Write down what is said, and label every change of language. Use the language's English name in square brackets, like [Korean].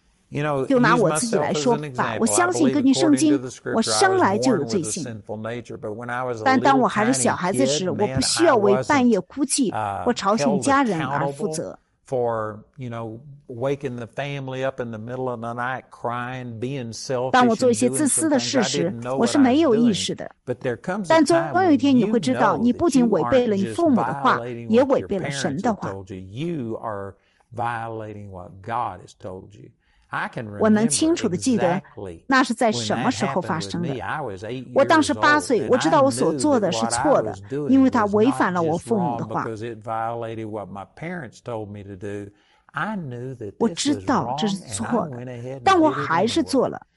[English] You know, use myself as an example. I believe according to the scripture, I was born with a sinful nature. But when I was a little tiny kid, man, I wasn't held accountable for, you know, waking the family up in the middle of the night, crying, being selfish. [Chinese] 当我做一些自私的事时，我是没有意识的。 [English] But there comes a time when you know that you aren't just violating what your parents have told you. [Chinese] 你不仅违背了你父母的话，也违背了神的话。 [English] You are violating what God has told you. I can remember. [Chinese] 我能清楚地记得，那是在什么时候发生的？我当时八岁，我知道我所做的是错的，因为它违反了我父母的话。 [English] Because it violated what my parents told me to do. I knew that. [Chinese] 我知道这是错的，但我还是做了。